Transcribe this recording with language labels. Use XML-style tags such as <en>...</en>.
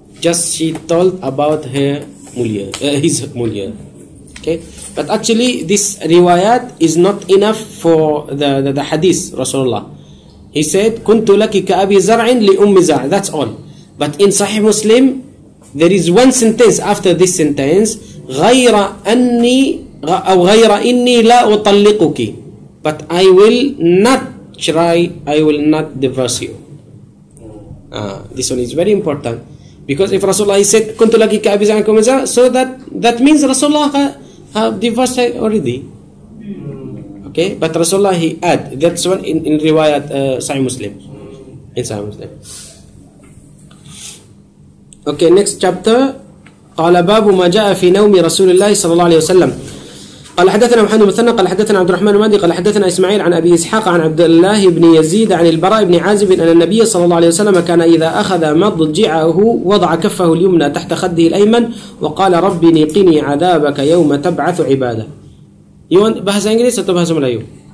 <en>Just she told about her mulia, his mulia. Okay. But actually, this riwayat is not enough for the hadith. Rasulullah, he said,</en> <ar>"Kuntu laki ka abi zar'in li ummi zar'in."</ar> <en>That's all. But in Sahih Muslim, there is one sentence after this sentence.</en> <ar>غير أني أو غير إني لا أطلقك</ar> <en>but I will not try, I will not divorce you. This one is very important because if Rasulullah said</en> <ar>كنت لك كأبي زرع لأم زرع,</ar> <en>so that means Rasulullah have divorced already. Okay, but Rasulullah he add, that's one in riwayat Sahih Muslim. Okay, next chapter.</en> <ar>قال باب ما جاء في نوم رسول الله صلى الله عليه وسلم قال حدثنا محمد بن مثنى قال حدثنا عبد الرحمن المهدي قال حدثنا اسماعيل عن ابي اسحاق عن عبد الله بن يزيد عن البراء بن عازب ان النبي صلى الله عليه وسلم كان اذا اخذ مضجعه وضع كفه اليمنى تحت خده الايمن وقال ربني قني عذابك يوم تبعث عباده.</ar> <en>You want</en> <ms>bahasa Inggris atau bahasa Melayu?</ms>